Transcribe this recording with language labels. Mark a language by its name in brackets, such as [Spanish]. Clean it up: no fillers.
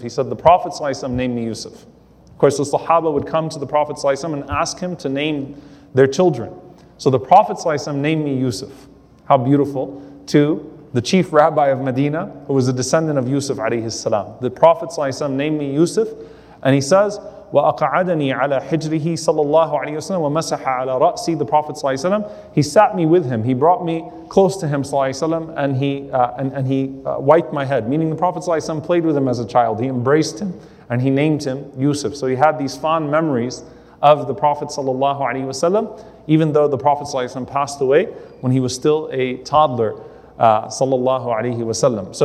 [English] He said, the Prophet sallallahu alayhi wa sallam named me Yusuf. Of course, the Sahaba would come to the Prophet sallallahu alayhi wa sallam and ask him to name their children. So the Prophet sallallahu alayhi wa sallam named me Yusuf. How beautiful. To the chief rabbi of Medina, who was a descendant of Yusuf alayhi salam. The Prophet sallallahu alayhi wa sallam named me Yusuf. And he says, [Arabic] وَأَقَعَدَنِي عَلَى حِجْرِهِ صَلَى اللَّهُ عَلَيْهِ وَسَلَمْ وَمَسَحَ عَلَى رَأْسِي. [English] The Prophet ﷺ, he sat me with him. He brought me close to him ﷺ, and he wiped my head. Meaning the Prophet ﷺ played with him as a child. He embraced him and he named him Yusuf. So he had these fond memories of the Prophet ﷺ, even though the Prophet ﷺ passed away when he was still a toddler ﷺ.